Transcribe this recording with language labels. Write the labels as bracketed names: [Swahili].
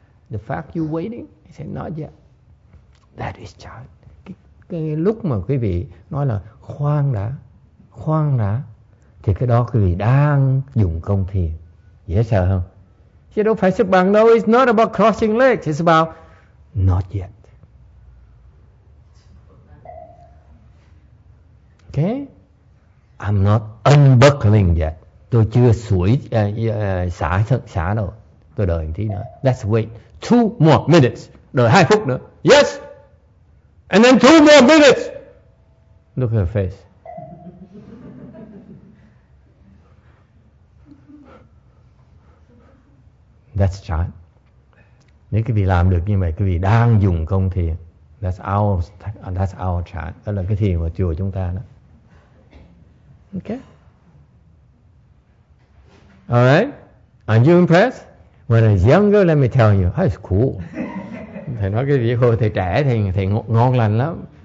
[English] The fact you're waiting, he said, not yet. That is chan. [Vietnamese] Cái lúc mà quý vị nói là khoan đã, thì cái đó quý vị đang dùng công thiền. Dễ sợ không? Chứ đâu phải xếp bằng đâu. [English] It's not about crossing legs. It's about not yet. Okay, I'm not unbuckling yet. [Vietnamese] Tôi chưa sủi xả đâu. Tôi đợi một tí nữa. [English] Let's wait 2 more minutes. [Vietnamese] Đợi 2 phút nữa. [English] Yes. And then 2 more minutes. Look at her face. That's chan. [Vietnamese] Nếu quý vị làm được như vậy, quý vị đang dùng công thiền. [English] That's our chan. [Vietnamese] Đó là cái thiền của chùa chúng ta đó. [English] Okay. All right. Are you impressed? When I was younger, let me tell you, that's cool. [Vietnamese] Thầy nói cái việc hồi thầy trẻ thì thầy ngon lành lắm.